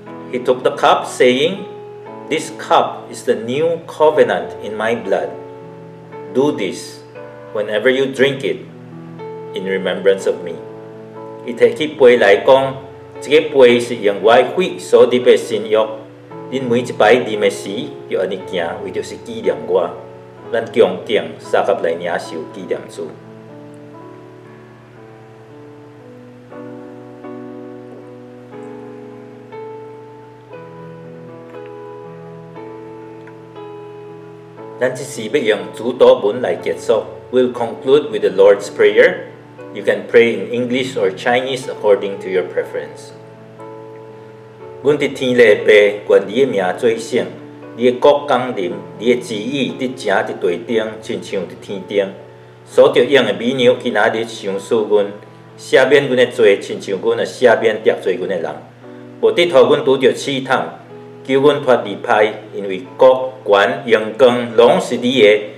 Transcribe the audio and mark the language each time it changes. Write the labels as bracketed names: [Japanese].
[English] He took the cup, saying, "This cup is the new covenant in my blood. Do this whenever you drink it in remembrance of me." Itekipwe lai kong, [Min Nan Chinese] 这个杯是用我的血所立的新约，恁每一摆饮的时，就安尼行，为着是纪念我。咱恭敬三甲来领受纪念主。咱这时要用主祷文来结束。 [English] We'll conclude with the Lord's Prayer. You can pray in English or Chinese according to your preference. [Min Nan Chinese] 阮伫天里爸，愿你的名作圣，你的国降临，你的旨意伫正伫地顶，亲像伫天顶。所着用的美酒，今仔日赏赐阮，赦免阮的罪，亲像阮也赦免得罪阮的人。无得托阮拄着试探，求阮脱离歹，因为国权荣光拢是你的。